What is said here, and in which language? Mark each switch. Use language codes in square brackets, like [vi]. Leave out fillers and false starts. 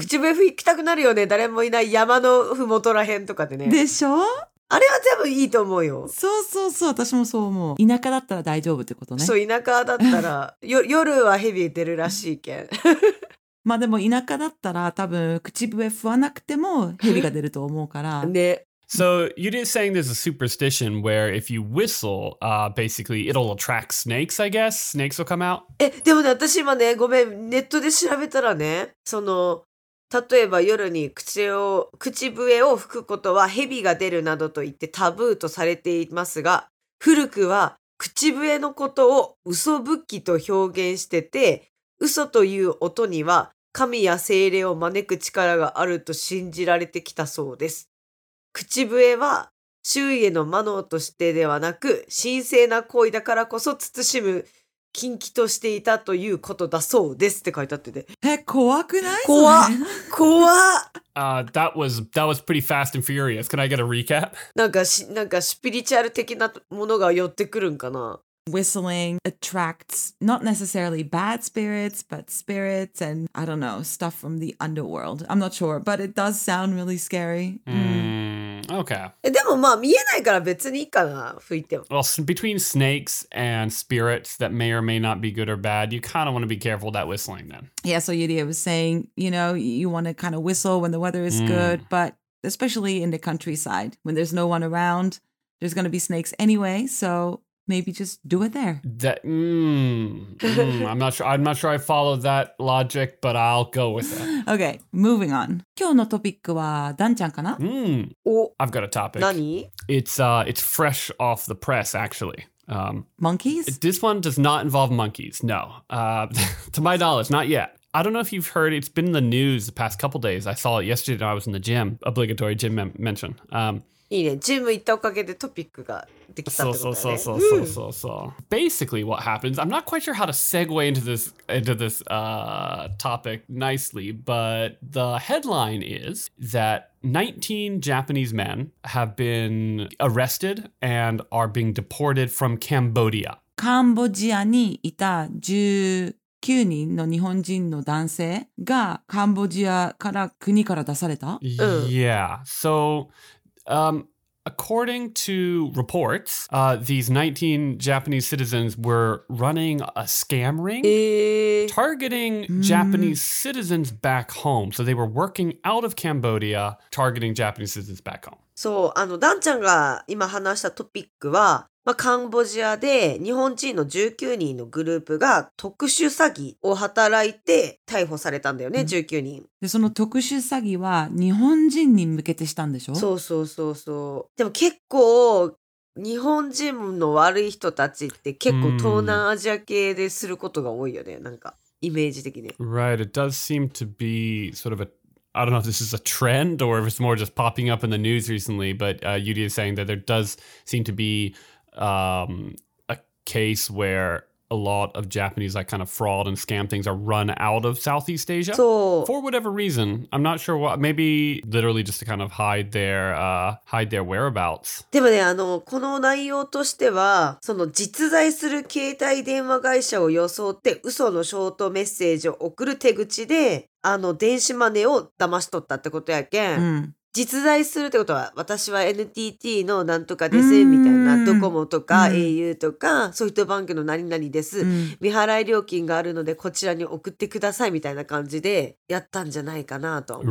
[ja] 口笛吹きたくなるよね、誰もいない山のふもとらへんとかでね。でしょ？あれは全部いいと思うよ。そうそうそう、私もそう思う。田舎だったら大丈夫ってことね。そう、田舎だったら夜はヘビ出るらしいけん。まあでも田舎だったら多分口笛吹わなくてもヘビが出ると思うから。ね。 [en] So you're just saying there's a superstition where if you whistle, basically it'll attract snakes, I guess. Snakes will come out. [ja] え、でもね、私今ね、ごめん、ネットで調べたらね、その、例えば夜に口笛を吹くことは蛇が出るなどと言ってタブーとされていますが、古くは口笛のことを嘘吹きと表現してて、嘘という音には神や精霊を招く力があると信じられてきたそうです。口笛は周囲へのマナーとしてではなく、神聖な行為だからこそ慎む禁忌としていたということだそうですって書いてあってて。え、怖くない？怖っ怖 [en] っ that was pretty fast and furious. Can I get a recap? [ja] なんかスピリチュアル的なものが寄ってくるんかな。 [en] Whistling attracts not necessarily bad spirits, but spirits and I don't know, stuff from the underworld. I'm not sure, but it does sound really scary. Okay. [ja] でもまあ見えないから別にいいかな、吹いても。 [en] Well, between snakes and spirits that may or may not be good or bad, you kind of want to be careful with that whistling then. Yeah, so Yuri was saying, you know, you want to kind of whistle when the weather is good, but especially in the countryside, when there's no one around, there's going to be snakes anyway, so... Maybe just do it there. I'm not sure I follow that logic, but I'll go with it. Okay, moving on. [ja] 今日のトピックはダンちゃんかな? [en] I've got a topic. [ja] 何? [en] It's fresh off the press, actually. Monkeys? This one does not involve monkeys, no. to my knowledge, not yet. I don't know if you've heard, it's been in the news the past couple days. I saw it yesterday when I was in the gym. Obligatory gym mention. [ja] いいね。ジム行ったおかげでトピックができたってことだね。そうそうそうそうそう。 [en] Basically, what happens? I'm not quite sure how to segue into this topic nicely, but the headline is that 19 Japanese men have been arrested and are being deported from Cambodia. [ja] カンボジアにいた19人の日本人の男性がカンボジアから国から出された。 [en] Yeah, so. According to reports, these 19 Japanese citizens were running a scam ring, targeting Japanese citizens back home. So they were working out of Cambodia, targeting Japanese citizens back home. [ja] そう、あの、ダンちゃんが今話したトピックは、まあ、カンボジアで日本人の19人のグループが特殊詐欺を働いて逮捕されたんだよね、うん、19人。で、その特殊詐欺は日本人に向けてしたんでしょ？そうそうそうそう。でも結構、日本人の悪い人たちって結構東南アジア系ですることが多いよね、なんか、イメージ的に。 [en] Right, it does seem to be sort of a... I don't know if this is a trend or if it's more just popping up in the news recently, but Yuri is saying that there does seem to be a case where a lot of Japanese like kind of fraud and scam things are run out of Southeast Asia. So, for whatever reason, I'm not sure what, maybe literally just to kind of hide their whereabouts. [ja] でもね、あの、この内容としては、その実在する携帯電話会社を装って嘘のショートメッセージを送る手口で、あの電子マネーを騙し取ったってことやけん、うん、実在するってことは私は NTT のなんとかですみたいな、ドコモとか AU とかソフトバンクの何々です、うん、未払い料金があるのでこちらに送ってくださいみたいな感じでやったんじゃないかなと、